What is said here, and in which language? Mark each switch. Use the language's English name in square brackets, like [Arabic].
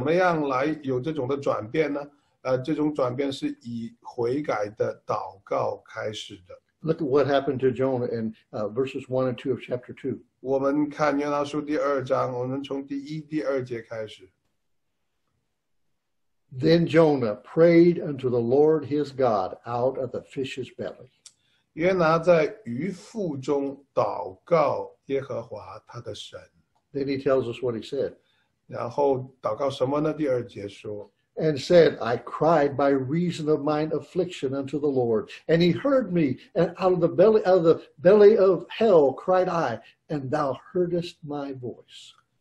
[Chinese] 那如果我们拒绝人的方式，或者说离开人的道路，来使用神的方式，或者说回到神的道路上，怎么样来有这种的转变呢？这种转变是以悔改的祷告开始的。 [English] Look at what happened to Jonah in verses 1 and 2 of chapter 2. [Chinese] 我们看约拿书第二章，我们从第一、第二节开始。 [English] Then Jonah prayed unto the Lord his God out of the fish's belly. [Chinese] 约拿在鱼腹中祷告耶和华他的神。 [English] Then he tells us what he said. [Chinese] 然后祷告什么呢？第二节说。 [English] And said, I cried by reason of mine affliction unto the Lord. And he heard me, and out of the belly of hell cried I, and thou heardest my voice.